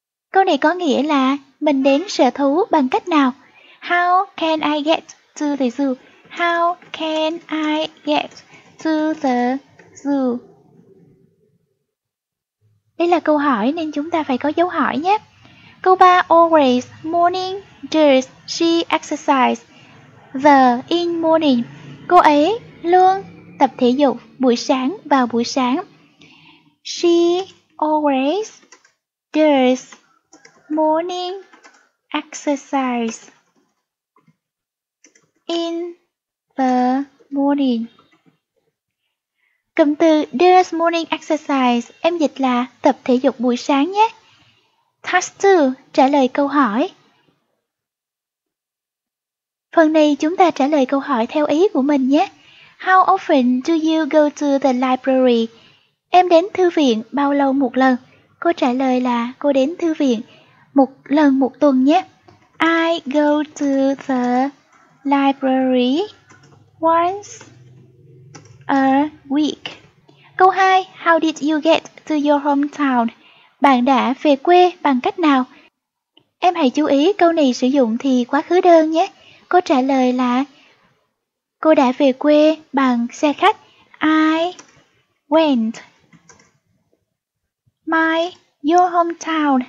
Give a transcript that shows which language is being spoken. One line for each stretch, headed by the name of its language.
Vietnamese: Câu này có nghĩa là mình đến sở thú bằng cách nào?
English: How can I get to the zoo? How can I get to the zoo?
Vietnamese: Đây là câu hỏi nên chúng ta phải có dấu hỏi nhé. Câu 3,
English: always morning does she exercise the in morning?
Vietnamese: Cô ấy luôn tập thể dục buổi sáng vào buổi sáng.
English: She always does morning exercise in the morning.
Vietnamese: Cụm từ
English: does morning exercise
Vietnamese: em dịch là tập thể dục buổi sáng nhé.
English: Task 2,
Vietnamese: trả lời câu hỏi. Phần này chúng ta trả lời câu hỏi theo ý của mình nhé.
English: How often do you go to the library?
Vietnamese: Em đến thư viện bao lâu một lần? Cô trả lời là cô đến thư viện một lần một tuần nhé.
English: I go to the library once a week.
Vietnamese: Câu 2.
English: How did you get to your hometown?
Vietnamese: Bạn đã về quê bằng cách nào? Em hãy chú ý câu này sử dụng thì quá khứ đơn nhé. Câu trả lời là cô đã về quê bằng xe khách.
English: I went my your hometown.